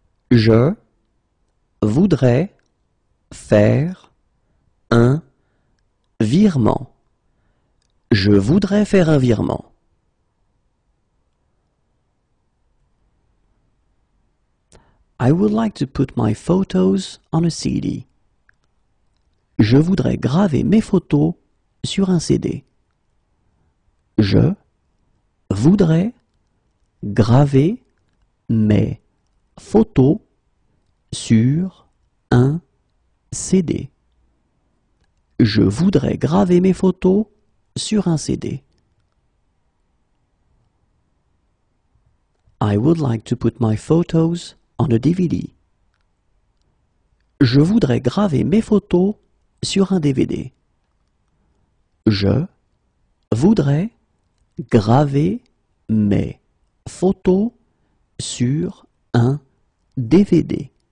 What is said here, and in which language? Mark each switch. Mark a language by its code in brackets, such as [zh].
[fr] Je voudrais faire un virement. Je voudrais faire un virement. [en] I would like to put my photos on a CD. [fr] Je voudrais graver mes photos sur un CD. Je voudrais graver mes photos sur un CD. Je voudrais graver mes photos sur un CD. [en] I would like to put my photos on a DVD. [fr] Je voudrais graver mes photos sur un DVD. Je voudrais graver mes photos sur un DVD.